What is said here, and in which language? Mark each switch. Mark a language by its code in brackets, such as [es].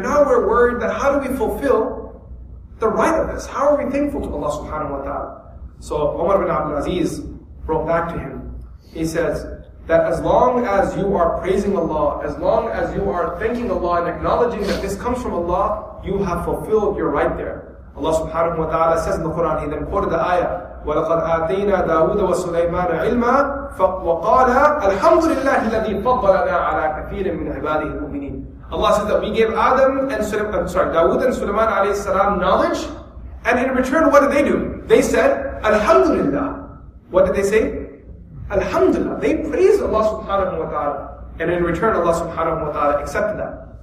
[en] Now we're worried that how do we fulfill the right of this? How are we thankful to Allah subhanahu wa ta'ala? So Umar ibn Abdul Aziz wrote back to him. He says that as long as you are praising Allah, as long as you are thanking Allah and acknowledging that this comes from Allah, you have fulfilled your right there. Allah subhanahu wa ta'ala says in the Quran, he then quoted the ayah, [ar] وَلَقَدْ آتَيْنَا دَاوُدَ وَسُلَيْمَانَ عِلْمًا وَقَالَ الْحَمْدُ لِلَّهِ الَّذِي فَضَّلَنَا عَلَىٰ كَثِيرٍ مِّنْ عِبَادِهِ الْمُؤْمِنِينَ. [en] Allah said that we gave Adam and Dawood and Sulaiman alayhi salam knowledge, and in return, what did they do? They said, Alhamdulillah. What did they say? Alhamdulillah. They praised Allah subhanahu wa ta'ala, and in return, Allah subhanahu wa ta'ala accepted that.